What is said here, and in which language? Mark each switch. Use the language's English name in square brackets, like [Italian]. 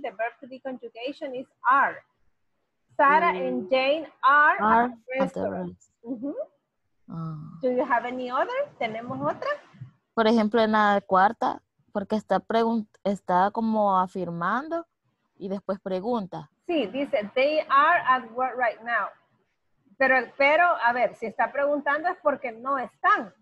[English] The verb to be conjugation is are. Sarah and Jane are at the restaurant. Do you have any other? [Spanish] ¿Tenemos otra? Por ejemplo, en la cuarta, porque está como afirmando y después pregunta. Sí, dice, [English] they are at work right now. [Spanish] Pero, a ver, si está preguntando es porque no están.